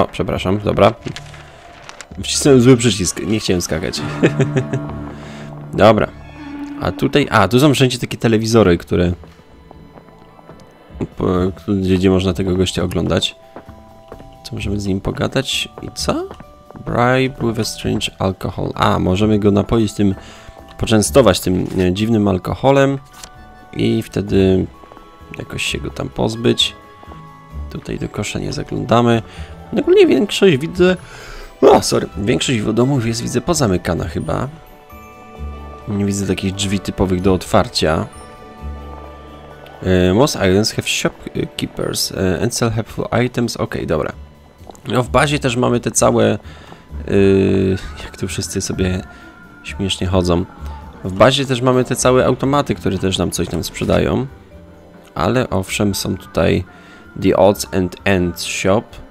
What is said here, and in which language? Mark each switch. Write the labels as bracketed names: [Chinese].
[Polish] o, przepraszam, dobra. Wcisnąłem zły przycisk, nie chciałem skakać. Dobra. A tutaj, a, tu są wszędzie takie telewizory, które... gdzie można tego gościa oglądać. Co, możemy z nim pogadać? I co? [English] Bribe with a strange alcohol. [Polish] A, możemy go napoić tym... poczęstować tym dziwnym alkoholem. I wtedy jakoś się go tam pozbyć. Tutaj do kosza nie zaglądamy. No ogólnie większość widzę... O, sorry. Większość domów jest, widzę, pozamykana chyba. Nie widzę takich drzwi typowych do otwarcia. [English] Most islands have shopkeepers and sell helpful items. [Polish] Okej, dobra. No w bazie też mamy te całe... jak tu wszyscy sobie śmiesznie chodzą. W bazie też mamy te całe automaty, które też nam coś tam sprzedają. Ale owszem, są tutaj The Odds and Ends Shop.